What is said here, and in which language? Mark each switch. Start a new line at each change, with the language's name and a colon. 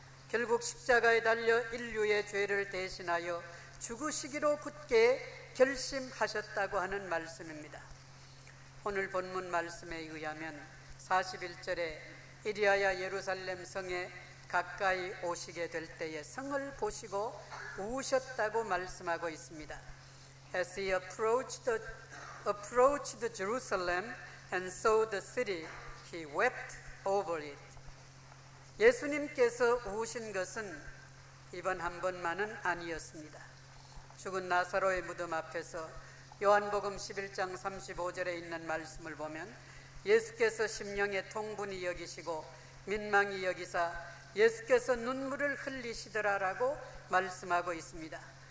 Korean: 결국 십자가에 달려 인류의 죄를 대신하여 죽으시기로 굳게 결심하셨다고 하는 말씀입니다. 오늘 본문 말씀에 의하면 41절에 이리하여 예루살렘 성에 가까이 오시게 될 때에 성을 보시고 우셨다고 말씀하고 있습니다.
English: As he approached Jerusalem and saw the city, he wept over it.
Korean: 예수님께서 우신 것은 이번 한 번만은 아니었습니다. 죽은 나사로의 무덤 앞에서 요한복음 11장 35절에 있는 말씀을 보면 예수께서 심령의 통분이 여기시고 민망이 여기사 예수께서 눈물을 흘리시더라라고 말씀하고 있습니다.